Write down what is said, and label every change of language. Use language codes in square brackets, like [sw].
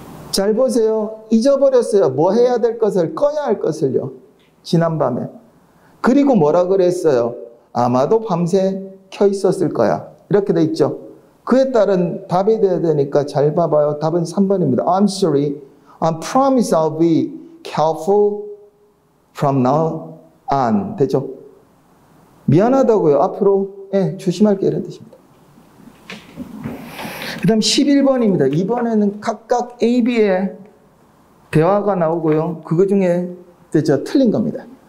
[ko] 잘 보세요. 잊어버렸어요. 뭐 해야 될 것을, 꺼야 할 것을요. 지난밤에. 그리고 뭐라 그랬어요? 아마도 밤새 켜 있었을 거야. 이렇게 돼 있죠. 그에 따른 답이 돼야 되니까 잘 봐봐요. 답은 3번입니다. [en] I'm sorry. I promise I'll be careful from now on. [ko] 되죠? 미안하다고요. 앞으로 예, 조심할게 이런 뜻입니다. 그 다음 11번입니다. 이번에는 각각 AB의 대화가 나오고요. 그거 중에 대체 틀린 겁니다.